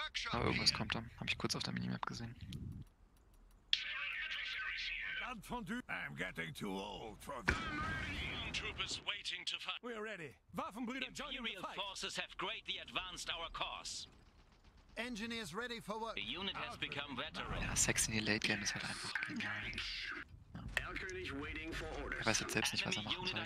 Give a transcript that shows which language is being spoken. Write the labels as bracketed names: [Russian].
[German] aber irgendwas kommt da. Hab ich kurz auf der Minimap gesehen. [English] I'm getting too old for this. Troopers waiting to fight. We are ready. Waffenbrüder, join in the fight. Imperial forces have greatly advanced our cause. Engineers ready for work. The unit has become veteran. [German] Ja, sexy in die Late Game ist halt einfach genial. Er weiß jetzt selbst nicht, was er machen soll.